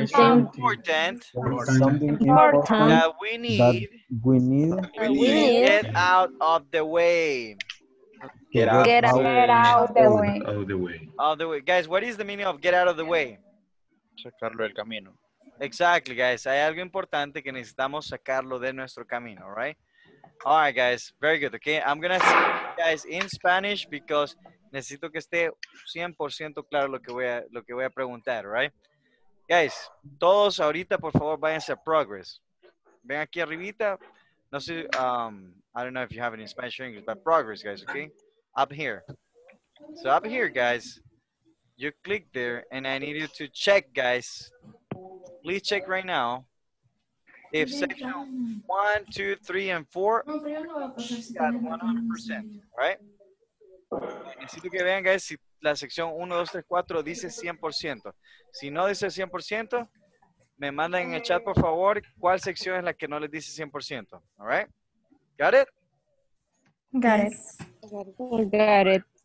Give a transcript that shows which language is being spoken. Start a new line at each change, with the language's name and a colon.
English: important. Something important that we need. That we need. We need. Get out of the way. Get out of the way. Guys, what is the meaning of get out of the way?
Spanish: Sacarlo del camino.
English: Exactly, guys.
Spanish: Hay algo importante que necesitamos sacarlo de nuestro camino, right?
English: All right, guys. Very good, okay? I'm going to say you guys in Spanish because
Spanish: necesito que esté 100% claro lo que voy a preguntar,
English: right?
Spanish: Guys, todos ahorita, por favor, váyanse a progress. Ven aquí arribita. No sé,
English: I don't know if you have any Spanish or English, but progress, guys, okay? Up here. So up here, guys, you click there, and I need you to check, guys. Please check right now if section 1, 2, 3, and 4 got 100%, right?
Spanish: Necesito que vean, guys, si la sección 1, 2, 3, 4 dice 100%. Si no dice 100%, me mandan en el chat, por favor, cuál sección es la que no les dice 100%, all right?
English: Got it? Got it.